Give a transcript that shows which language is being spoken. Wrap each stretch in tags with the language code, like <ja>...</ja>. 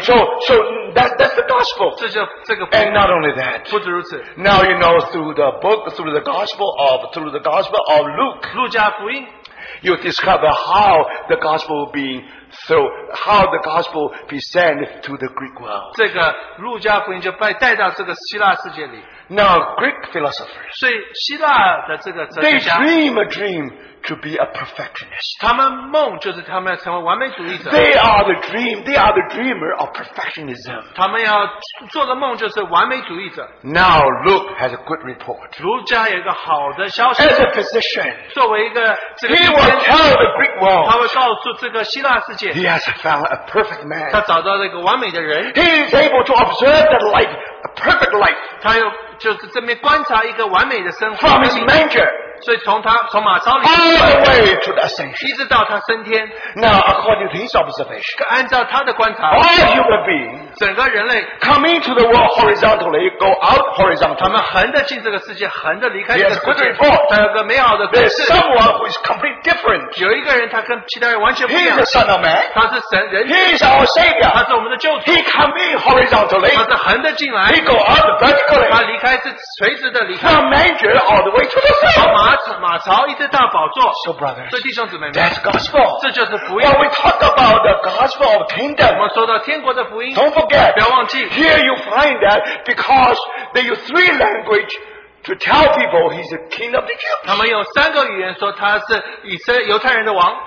<en>So that's the gospel.</en> <zh>这就这个福音,</zh> <en>and not only that,</en> <zh>不止如此,</zh> <en>now you know through the gospel of Luke,</en> <zh>路加福音,</zh> <en>you discover how the gospel being So how the gospel be sent to the Greek world.</en> <zh>这个路加福音就被带到这个希腊世界里。</zh> <en>Now Greek philosophers.</en> <zh>所以希腊的这个哲学家,</zh> <en>they dream a dream to be a perfectionist.</en> <zh>他们梦就是他们要成为完美主义者。</zh> <en>They are the dreamer of perfectionism.</en> <zh>他们要做的梦就是完美主义者。</zh> <en>Now Luke has a good report.</en> <zh>路加有一个好的消息。</zh> <en>As a physician,</en> <zh>作为一个这个,</zh> <en>he will tell the Greek world.</en> <zh>他会告诉这个希腊世界。</zh> <en>He has found a perfect man.</en> <zh>他找到了一个完美的人。</zh> <en>He is able to observe the life, a perfect life.</en> <zh>他又就是这边观察一个完美的生活。</zh> <en>From his manger.</en> <zh>所以从他从马槽里,</zh> <en>all the way to the ascension.</en> <zh>一直到他升天。</zh> <en>Now, according to his observation,</en> <zh>按照他的观察,</zh> <en>all human beings,</en> <zh>整个人类,</zh> <en>come into the world horizontally, go out horizontally.</en> <zh>他们横着进这个世界, 横着离开这个世界。</zh> <en>He has a good report.</en> <zh>他有个美好的故事。</zh> <en>There's someone who is completely different.</en> <zh>有一个人他跟其他人完全不一样。</zh> <en>He is the Son of Man.</en> <zh>他是神人,</zh> <en>He is our Savior.</en> <zh>他是我们的救主。</zh> <en>He come in horizontally.</en> <zh>他是横着进来,</zh> <en>He go out vertically.</en> <zh>他离开是垂直的离开。</zh> <en>From manger all the way to the throne.</en> <zh>马槽一直到宝座,</zh> <en>so brothers,</en> <zh>所以弟兄姊妹们,</zh> <en>that's gospel.</en> <zh>这就是福音,</zh> <en>when we talk about the gospel of kingdom,</en> <zh>我们说到天国的福音,</zh> <en>don't forget,</en> <zh>不要忘记,</zh> <en>here you find that because they use three language to tell people he's the king of the Jews.</en> <zh>他们用三个语言说他是以色列犹太人的王,</zh>